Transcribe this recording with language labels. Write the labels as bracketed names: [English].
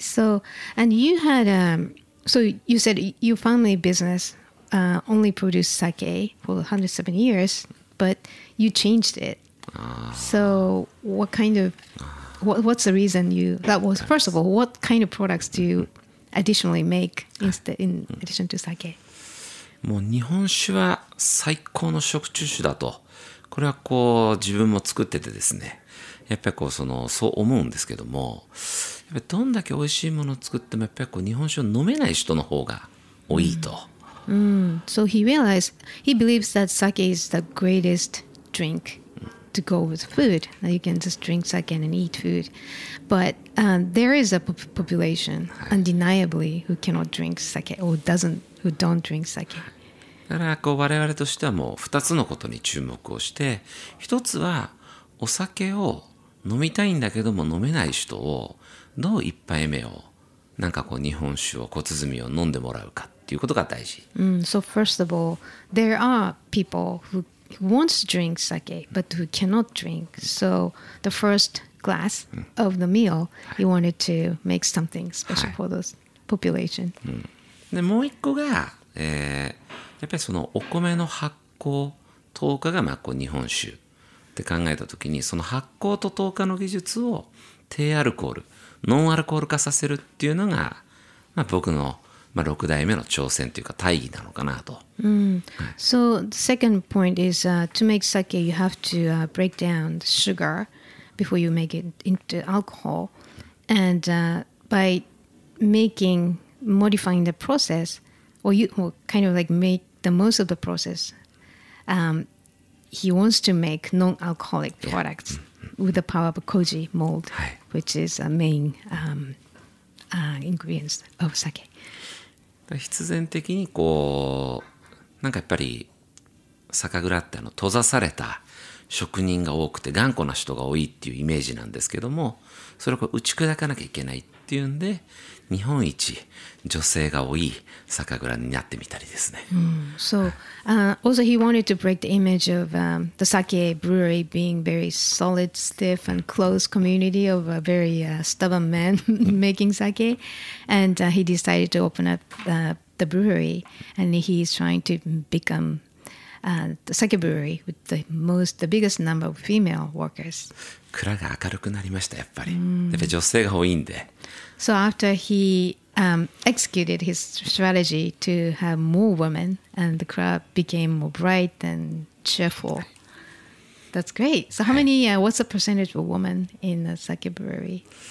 [English] So, and you had so you said your family business only produced sake for 107 years, but you changed it. So what kind of, what's the reason you, that was, first of all, what kind of products do you additionally make in addition to sake? [Japanese] もう日本酒は最高の食中酒だと、これはこう自分も作っててですね、やっぱりこうそう思うんですけども、やっぱどんだけ美味しいものを作ってもやっぱりこう日本酒を飲めない人の方が多いと。 [English] So he realized, he believes that sake is the greatest drink to go with food. You can just drink sake and eat food. But there is a population, undeniably, who cannot drink sake or doesn't, who don't drink sake. [Japanese] だからこう我々としてはもう2つのことに注目をして、一つはお酒を飲みたいんだけども飲めない人をどう一杯目を、なんかこう日本酒を小鼓を飲んでもらうか。 [English] So first of all, there are people who wants to drink sake but who cannot drink. So the first glass of the meal, you wanted to make something special for those population. [Japanese] でもう一個が、やっぱりそのお米の発酵糖化がまあこう日本酒って考えた時に、その発酵と糖化の技術を低アルコール、ノンアルコール化させるっていうのが、まあ僕のまあ、六代目の挑戦というか大義なのかなと。 [English] So the second point is to make sake, you have to break down the sugar before you make it into alcohol. And by making, modifying the process, or you or kind of like make the most of the process, he wants to make non-alcoholic products with the power of koji mold, which is a main ingredient of sake. [Japanese] 必然的にこうなんかやっぱり酒蔵って閉ざされた職人が多くて頑固な人が多いっていうイメージなんですけども、それを打ち砕かなきゃいけないっていうんで日本一女性が多い酒蔵になってみたりですね。 [English] So, also he wanted to break the image of the sake brewery being very solid, stiff and close community of a very stubborn man making sake. And he decided to open up the brewery and he's trying to become the sake brewery with the biggest number of female workers. [Japanese] 蔵が明るくなりました、やっぱり。やっぱ女性が多いんで。 [English] So after he executed his strategy to have more women, and the crowd became more bright and cheerful. That's great. So how many, what's the percentage of women in the sake brewery?